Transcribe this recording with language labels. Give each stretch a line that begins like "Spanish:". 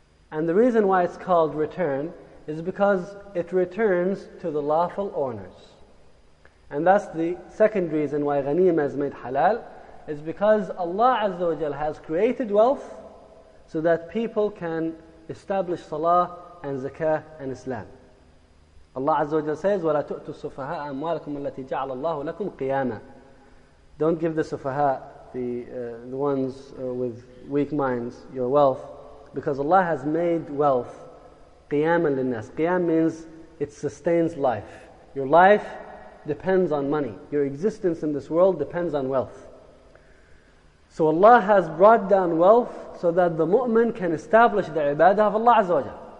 English: And the reason why it's called return is because it returns to the lawful owners. And that's the second reason why ghanima is made halal, is because Allah Azza wa Jalla has created wealth so that people can establish salah and zakah and Islam. Allah Azza wa Jalla says,
Arabic: وَلَا تُؤْتُوا السُّفَهَاءَ أَمْوَالَكُمُ الَّتِي جَعَلَ اللَّهُ لَكُمْ قِيَامًا.
English: Don't give the sufaha, the ones with weak minds, your wealth, because Allah has made wealth
Arabic: قِيَامًا لِلنَّاسِ.
English: Qiyam means it sustains life. Your life depends on money. Your existence in this world depends on wealth. So Allah has brought down wealth so that the mu'min can establish the ibadah of Allah Azza wa Jalla.